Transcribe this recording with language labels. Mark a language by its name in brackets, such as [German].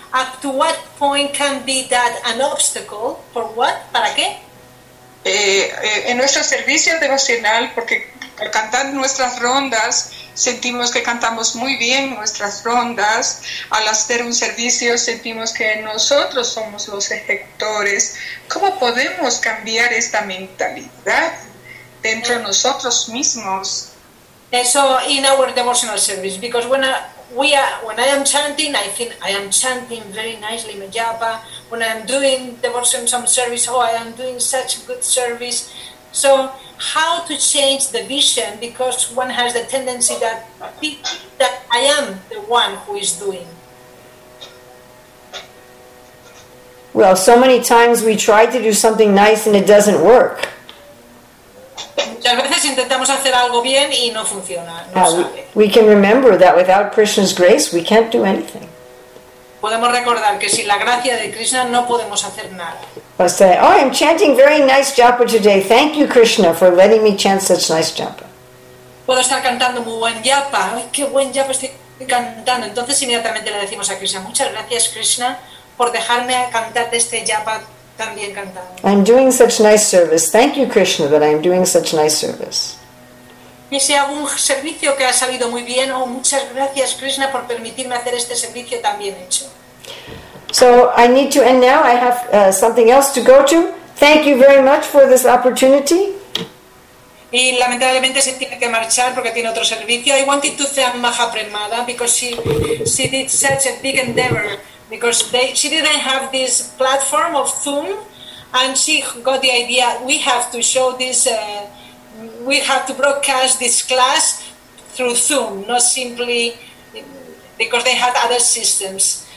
[English] Up to what point can be that an obstacle? For what? [Spanish] ¿Para qué? En nuestro servicio devocional, porque al cantar nuestras rondas, sentimos que cantamos muy bien nuestras rondas. Al hacer un servicio, sentimos que nosotros somos los ejecutores. ¿Cómo podemos cambiar esta mentalidad dentro de nosotros mismos? [English] So in our devotional service, because when I am chanting, I think I am chanting very nicely my japa. When I am doing devotional service, oh, I am doing such good service. So how to change the vision, because one has the tendency that I am the one who is doing. Well, so many times we try to do something nice and it doesn't work. [Spanish] Muchas veces intentamos hacer algo bien y no funciona, no sale. [English] We can remember that without Krishna's grace, we can't do anything. [Spanish] Podemos recordar que sin la gracia de Krishna no podemos hacer nada. [English] But say, oh, I'm chanting very nice japa today. Thank you, Krishna, for letting me chant such nice japa. [Spanish] Puedo estar cantando muy buen japa. Ay, qué buen japa estoy cantando. Entonces inmediatamente le decimos a Krishna, muchas gracias, Krishna, por dejarme cantar este japa. [English] I'm doing such nice service. Thank you, Krishna, that I'm doing such nice service. [Spanish] Y si hago un servicio que ha salido muy bien, oh, muchas gracias, Krishna, por permitirme hacer este servicio tan bien hecho. [English] So I need to end now. I have something else to go to. Thank you very much for this opportunity. [Spanish] Y lamentablemente se tiene que marchar porque tiene otro servicio. [English] I wanted to thank Mahapremada because she did such a big endeavor. Because she didn't have this platform of Zoom, and she got the idea, we have to show this, we have to broadcast this class through Zoom, not simply because they had other systems.